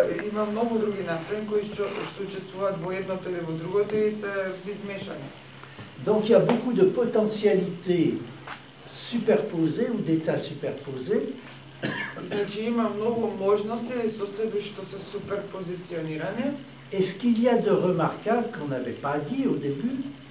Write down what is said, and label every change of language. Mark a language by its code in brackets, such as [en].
[mk] имам многу други настани кои што учествуваат во едното или во другото и се измешани. [fr] Donc il y a beaucoup de potentialités superposés ou d'états superposés. [mk] Значи има многу можности и состојби што се суперпозиционирани. [fr] Est-ce qu'il y a de remarquable qu'on n'avait pas dit au début?